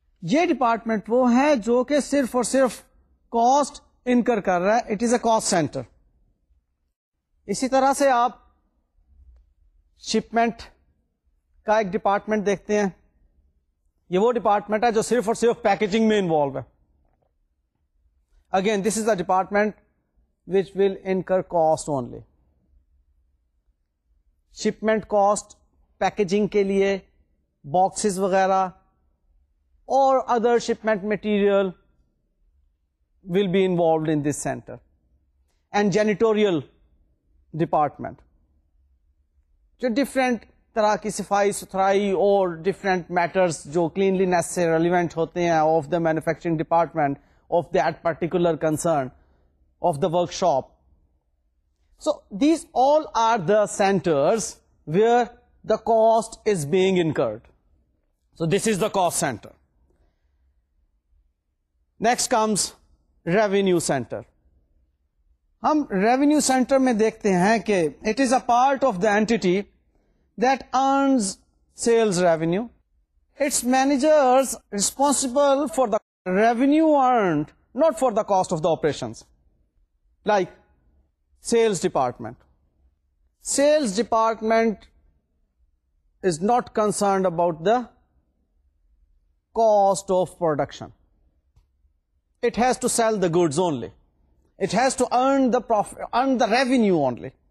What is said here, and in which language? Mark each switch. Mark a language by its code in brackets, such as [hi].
[ur] یہ ڈپارٹمنٹ وہ ہے جو کہ صرف اور صرف کاسٹ انکر کر رہا ہے, [en] It is a cost centre. [ur] اسی طرح سے آپ شپمنٹ کا ایک ڈپارٹمنٹ دیکھتے ہیں, یہ وہ ڈپارٹمنٹ ہے جو صرف اور صرف پیکیجنگ میں انوالو ہے. [en] Again this is a department which will incur cost only. [ur] Shipment cost packaging کے لیے باکسز وغیرہ اور other shipment material [en] Will be involved in this centre. [ur] And janitorial department جو ڈفرینٹ طرح کی صفائی ستھرائی اور ڈفرینٹ میٹرس جو کلینلینس سے ریلیونٹ ہوتے ہیں [en] Of the manufacturing department of that particular concern of the workshop. So these all are the centres where the cost is being incurred. So this is the cost centre. Next comes revenue centre. [ur] ہم revenue centre میں دیکھتے ہیں کہ [en] It is a part of the entity that earns sales revenue. Its managers responsible for the revenue earned, not for the cost of the operations. Like sales department, sales department is not concerned about the cost of production. It has to sell the goods only. It has to earn the profit, earn the revenue only.